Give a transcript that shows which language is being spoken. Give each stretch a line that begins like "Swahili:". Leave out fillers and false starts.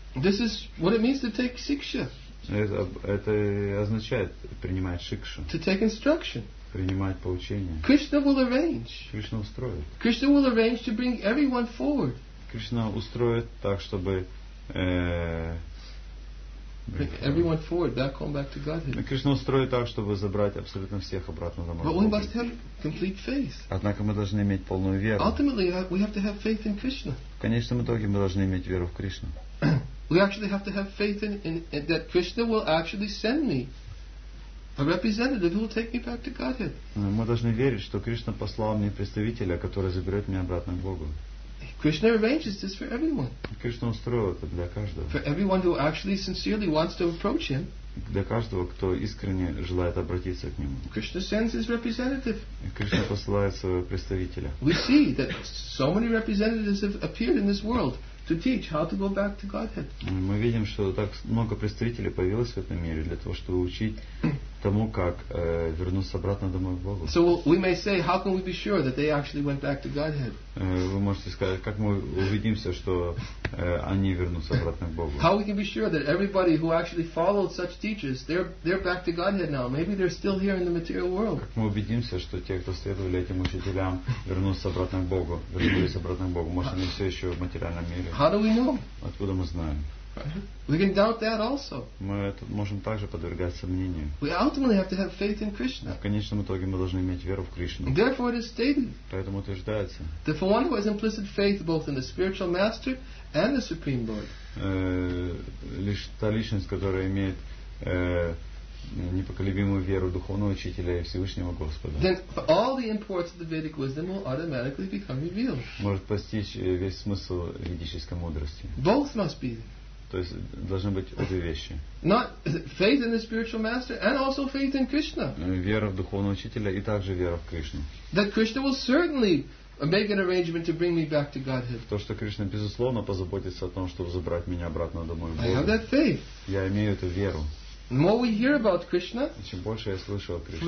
English: This is what it means to take siksha.
Russian: Это означает принимать шикшу.
English: To take instruction.
Russian: Принимать поучение.
English: Krishna will arrange.
Russian: Кришна устроит.
English: Krishna will arrange to bring everyone forward.
Russian: Кришна устроит так, чтобы
English: everyone forward, back to Godhead.
Russian: Кришна устроит так, чтобы забрать абсолютно всех обратно домой.
English: But we must have complete faith.
Russian: Однако мы должны иметь полную веру.
English: Ultimately, we have to have faith in Krishna.
Russian: В конечном итоге мы должны иметь веру в Кришну.
English: We actually have to have faith in that Krishna will actually send me. A representative who will take me back to Godhead.
Russian: Мы должны верить, что Кришна послал мне представителя, который заберет меня обратно к Богу.
English: Krishna arranges this for everyone.
Russian: Кришна устроил это для каждого.
English: For everyone who actually sincerely wants to approach him.
Russian: Для каждого, кто искренне желает обратиться к нему.
English: Krishna sends his representative.
Russian: Кришна посылает своего представителя.
English: We see that so many representatives have appeared in this world. To teach how to go back to Godhead.
Russian: Мы видим, что так много представителей появилось в этом мире для того, чтобы учить тому, как вернуться обратно домой к Богу.
English: So we may say, how can we be sure that they actually went back to Godhead?
Russian: Вы можете сказать, как мы убедимся, что они вернутся обратно к Богу?
English: How we can be sure that everybody who actually followed such teachers, they're back to Godhead now? Maybe they're still here in the material world.
Russian: Как мы убедимся, что те, кто следовали этим учителям, вернулись обратно к Богу? Может, они все еще в материальном мире?
English: How do we know?
Russian: Откуда мы знаем?
English: We can doubt that also.
Russian: Мы можем также подвергать сомнению.
English: We ultimately have to have faith in Krishna.
Russian: В конечном итоге мы должны иметь веру в Кришну.
English: Therefore, it is stated.
Russian: Поэтому утверждается.
English: That for one who has implicit faith both in the spiritual master and the supreme lord.
Russian: Лишь та личность, которая имеет непоколебимую веру духовного учителя и Всевышнего Господа.
English: Then all the imports of the Vedic wisdom will automatically become revealed.
Russian: Может постичь весь смысл ведической мудрости.
English: Both must be.
Russian: То есть должны быть обе вещи.
English: Not faith in the spiritual master and also faith in Krishna.
Russian: Вера в духовного учителя и также вера в Кришну.
English: That Krishna will certainly make an arrangement to bring me back to Godhead.
Russian: То, что Кришна безусловно позаботится о том, чтобы забрать меня обратно домой.
English: I have that faith.
Russian: Я имею эту веру.
English: The more we hear about Krishna,
Russian: чем больше я слышу о Кришне,